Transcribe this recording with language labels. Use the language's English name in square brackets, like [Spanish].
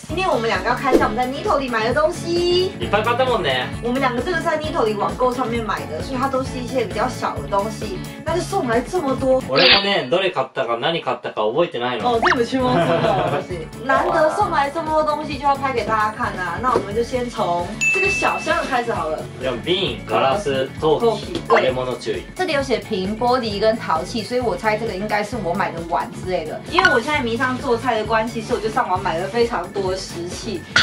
[Chinese] 今天我们两个要开箱我们在 Nitoli 买的东西。你拍拍这么呢？我们两个都是在 Nitoli 网购上面买的，所以它都是一些比较小的东西。但是送来这么多。我呢， [Japanese] どれ買ったか何買ったか覚えてないの。 [Chinese] 哦，全部注文成功了，是。难得送来这么多东西，就要拍给大家看啊！那我们就先从这个小箱开始好了。 [Japanese] 叫瓶、ガラス、陶器、割れ物注意。 [Chinese] 这里有写瓶、玻璃跟陶器，所以我猜这个应该是我买的碗之类的。因为我现在迷上做菜的关系，所以我就上网买了非常多的食器。